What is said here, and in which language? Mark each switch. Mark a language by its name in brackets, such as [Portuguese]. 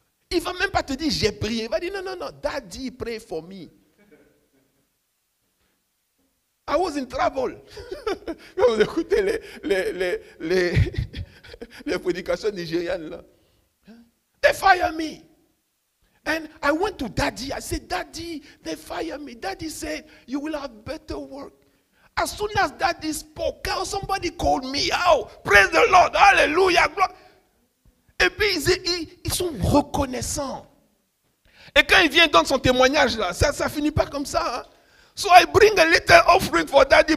[French] Il ne va même pas te dire, j'ai prié. Il va dire, non, [English] daddy, pray for me. I was in trouble. [French] Vous écoutez les prédications nigériennes là. [English] They fire me. And I went to daddy. I said, daddy, they fire me. Daddy said, you will have better work. As soon as daddy spoke, somebody called me out. Praise the Lord. Hallelujah. [French] Et puis, ils sont reconnaissants. Et quand il vient donner son témoignage là, ça finit pas comme ça, hein. [English] So I bring a little offering for daddy.